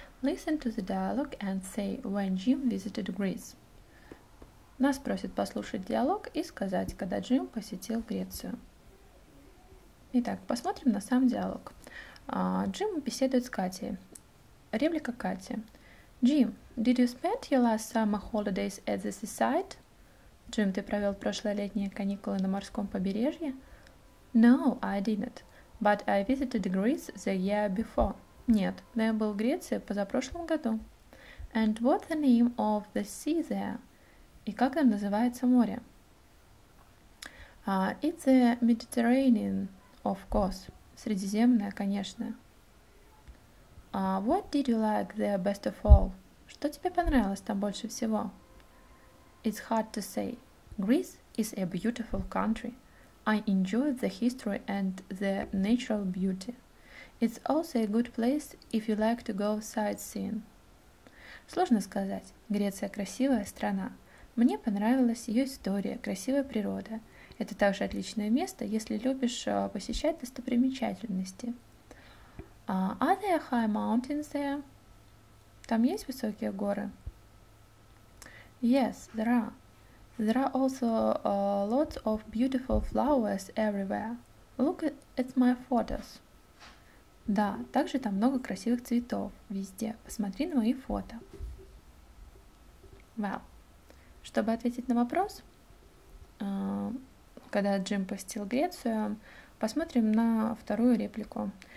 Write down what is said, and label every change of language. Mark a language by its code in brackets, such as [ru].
[en] Listen to the dialogue and say when Jim visited Greece. [ru] Нас просят послушать диалог и сказать, когда Джим посетил Грецию. Итак, посмотрим на сам диалог. Джим беседует с Катей. Реплика Кати. [en] Jim, did you spend your last summer holidays at the seaside? [ru] Джим, ты провел прошлолетние каникулы на морском побережье? [en] No, I didn't. But I visited Greece the year before. [ru] Нет, но я был в Греции позапрошлом году. [en] And what's the name of the sea there? [ru] И как там называется море? [en] It's the Mediterranean, of course. [ru] Средиземное, конечно. [en] What did you like there best of all? [ru] Что тебе понравилось там больше всего? [en] It's hard to say. Greece is a beautiful country. I enjoyed the history and the natural beauty. It's also a good place if you like to go sightseeing. [ru] Сложно сказать. Греция – красивая страна. Мне понравилась ее история, красивая природа. Это также отличное место, если любишь посещать достопримечательности. [en] Are there high mountains there? [ru] Там есть высокие горы? [en] Yes, there are. There are also lots of beautiful flowers everywhere. Look at my photos. [ru] Да, также там много красивых цветов везде. Посмотри на мои фото. Well, чтобы ответить на вопрос, когда Джим посетил Грецию, посмотрим на вторую реплику.